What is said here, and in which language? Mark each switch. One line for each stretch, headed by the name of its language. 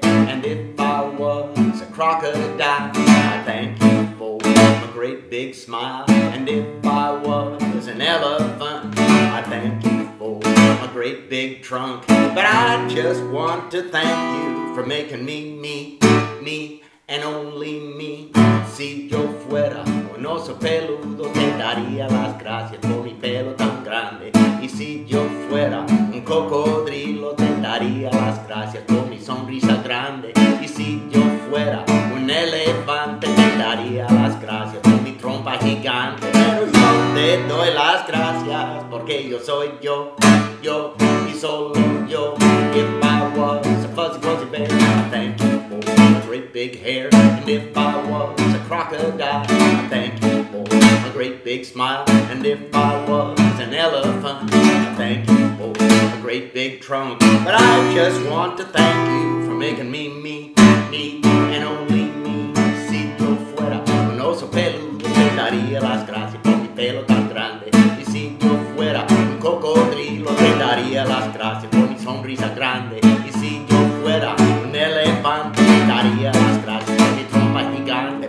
English: And if I was a crocodile, I'd thank you for my great big smile. And if I was an elephant, I'd thank you for my great big trunk. But I just want to thank you for making me, me, me, and only me.
Spanish: Si yo fuera un oso peludo, te daría las gracias por mi pelo tan grande. Y si yo fuera un cocodrilo, te daría las gracias por mi sonrisa grande. Y si yo fuera un elefante, te daría las gracias por mi trompa gigante. Pero yo te doy las gracias porque yo soy yo, yo y solo yo.
English: If I was a fuzzy, fuzzy bear, I'd thank you for my great big hair. And if I was a crocodile, I'd thank you for my great big smile. And if I was an elephant, I'd thank you for my great big trunk. But I just want to thank you for making me, me, me, and only me.
Spanish: Si yo fuera un oso peludo, te daría las gracias por mi pelo tan grande. Y si yo fuera un cocodrilo, te daría las gracias por mi sonrisa grande. Y si yo fuera un elefante, te daría las gracias por mi trompa gigante.